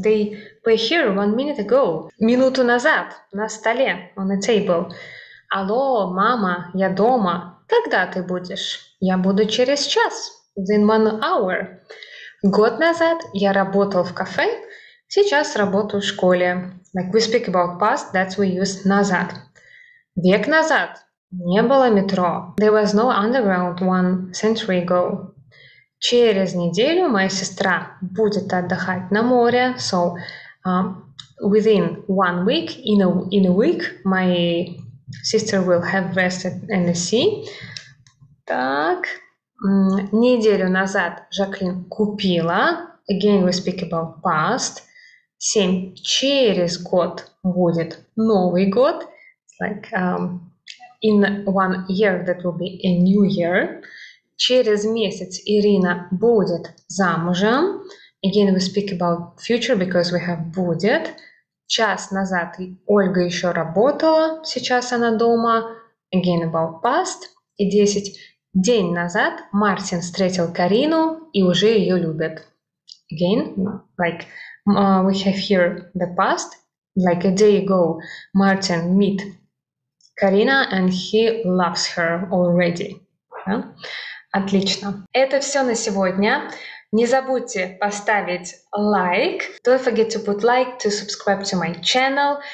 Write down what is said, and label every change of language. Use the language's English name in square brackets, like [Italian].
[English] They were here 1 minute ago. [Russian] Минуту назад. На столе. [English] On the table. [Russian] Алло, мама, я дома. Когда ты будешь? Я буду через час. [English] Within 1 hour. [Russian] Год назад я работал в кафе. Сейчас работаю в школе. [English] Like we speak about past, that's we use назад. [Russian] Век назад не было метро. [English] There was no underground 1 century ago. [Russian] Через неделю моя сестра будет отдыхать на море. [English] So within 1 week, in a week, my sister will have rest at the sea. [Russian] Так, неделю назад Жаклин купила. [English] Again, we speak about past. 7. [Russian] Через год будет Новый год. [English] It's like in 1 year that will be a new year. [Russian] Через месяц Ирина будет замужем. [English] Again, we speak about future because we have будет. [Russian] Час назад Ольга еще работала, сейчас она дома. [English] Again, about past. И 10. [Russian] День назад Мартин встретил Карину и уже ее любит. [English] Again, like we have here the past, like a day ago, Мартин meet Карина and he loves her already. [Russian] Отлично. Это все на сегодня. Не забудьте поставить лайк. [English] Don't forget to put like, to subscribe to my channel.